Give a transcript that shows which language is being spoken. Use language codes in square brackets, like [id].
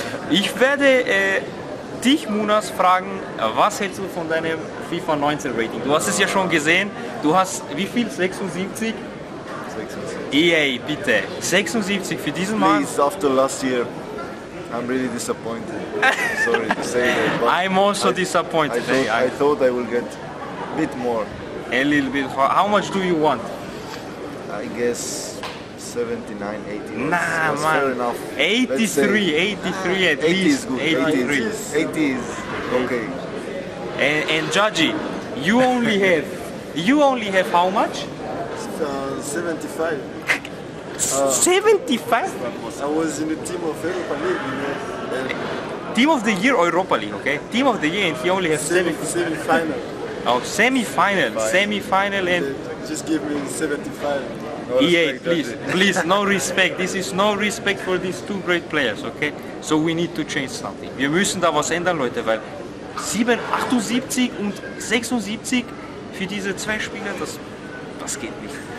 [de] Ich werde dich, Munas, fragen, was hältst du von deinem FIFA 19 Rating? Du hast es ja schon gesehen, du hast wie viel? 76? 76. EA, bitte. 76 für diesen Mann. [en] Please, after last year, I'm really disappointed. Sorry to say that. But I'm also disappointed. I thought I will get a bit more. A little bit. How much do you want? I guess 79, 80. Nah, man. Fair enough. 83, say, 83 at 80 least. Is good. 83. 80 is okay. And Judgy, you only have, you only have how much? 75. 75? I was in the team of Europa League. You know, team of the year, Europa League, okay? Team of the year, and he only has 75. Semi-final. Oh, semi-final. Semi-final and... Just give me 75. No respect, EA, please, please, no respect. This is no respect for these two great players, okay? So we need to change something. [de] Wir müssen da was ändern, Leute, weil 78 und 76 für diese zwei Spieler, das geht nicht.